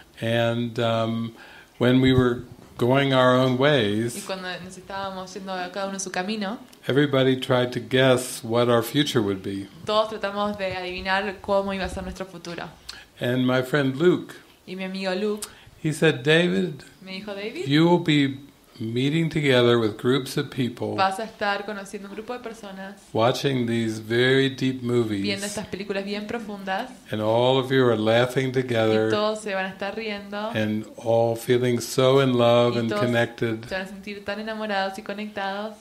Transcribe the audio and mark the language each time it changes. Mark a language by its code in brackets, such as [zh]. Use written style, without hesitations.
[en] And when we were going our own ways, [es] y cuando necesitábamos yendo a cada uno su camino, [en] everybody tried to guess what our future would be. [es] Todos tratamos de adivinar cómo iba a ser nuestro futuro. [en] And my friend Luke, [es] y mi amigo Luke, [en] he said, David, [es] me dijo, David, [en] you will be meeting together with groups of people. [es] Vas a estar conociendo un grupo de personas. [en] Watching these very deep movies. [es] Viendo estas películas bien profundas. [en] And all of you are laughing together. [es] Y todos se van a estar riendo. [en] And all feeling so in love and connected. [es] Se van a sentir tan enamorados y conectados.